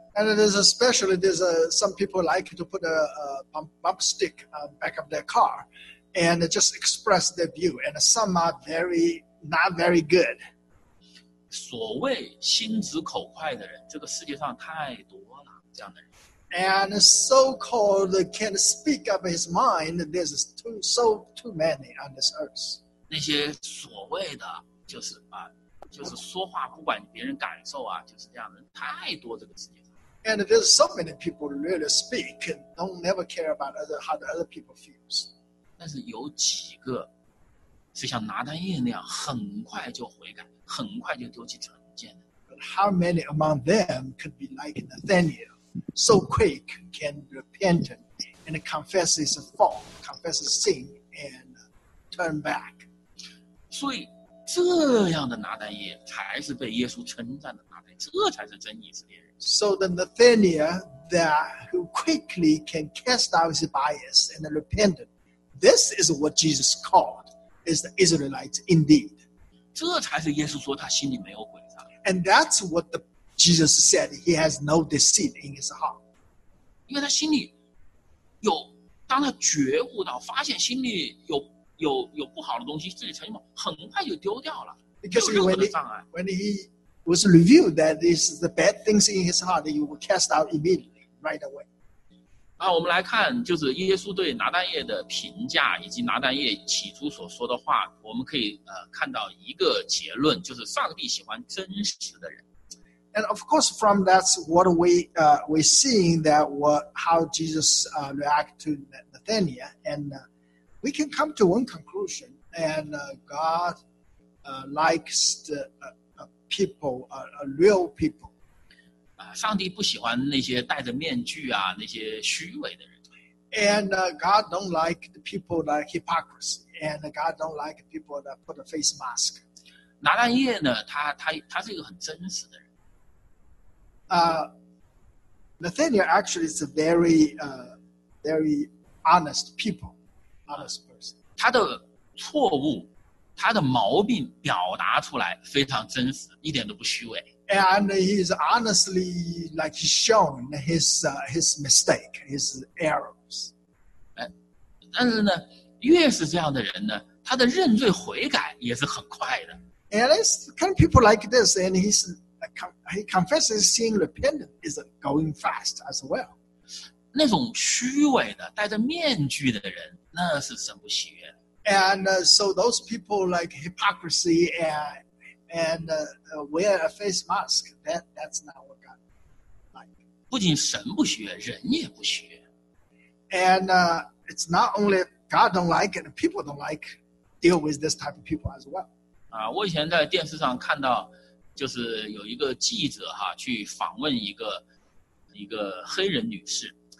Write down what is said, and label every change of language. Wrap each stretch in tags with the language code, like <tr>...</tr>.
<en>And it is especially there's some people like to put a bump stick back of their car, and just express their view. And some are very not very good.</en> <zh>所谓心直口快的人，这个世界上太多了这样的人。</zh> <en>And so-called can speak up his mind. There's too many on this earth.</en> <zh>那些所谓的就是啊，就是说话不管别人感受啊，就是这样的人太多这个世界上。</zh> <en>And there's so many people really speak and don't never care about how the other people feels.</en> <zh>但是有几个是像拿单叶那样很快就悔改，很快就丢弃成见的。</zh> <en>But how many among them could be like Nathaniel, so quick can repent and confess his fault, confess his sin and turn back?</en> <zh>所以这样的拿单叶才是被耶稣称赞的拿单叶，这才是真以色列人。</zh> <en>So the Nathaniel that who quickly can cast out his bias and repent, this is what Jesus called is the Israelite indeed.</en> <zh>这才是耶稣说他心里没有诡诈。</zh> <en>And that's what the Jesus said, he has no deceit in his heart.</en> <zh>因为他心里有，当他觉悟到发现心里有不好的东西，自己成就很快就丢掉了。</zh> <en>Because when he was revealed that this is the bad things in his heart, he would cast out immediately, right away.</en> <zh>那我们来看，就是耶稣对拿单叶的评价，以及拿单叶起初所说的话，我们可以看到一个结论，就是上帝喜欢真实的人。</zh> <en>And of course, from that, what we seeing that how Jesus react to Nathaniel and. We can come to one conclusion, and God likes the people, a real people.</en> <zh>上帝不喜欢那些戴着面具啊，那些虚伪的人。</zh> <en>And God don't like the people that hypocrisy, and God don't like people that put a face mask.</en> <zh>拿单叶呢，他是一个很真实的人。</zh> <en>Nathaniel actually is a very, very honest people.</en> <zh>他的错误，他的毛病表达出来非常真实，一点都不虚伪。</zh> <en>And he is honestly like shown his mistake, his errors.</en> <zh>但是呢，越是这样的人呢，他的认罪悔改也是很快的。</zh> <en>And it's kind of people like this, and he confesses sin, repentance is going fast as well.</en> <zh>那种虚伪的、戴着面具的人，那是神不喜悦的。</zh> <en>And so those people like hypocrisy and wear a face mask, that's not what God like.</en> <zh>不仅神不喜悦，人也不喜悦。</zh> <en>And it's not only God don't like it, people don't like deal with this type of people as well.</en> <zh>我以前在电视上看到，就是有一个记者哈，去访问一个黑人女士。</zh>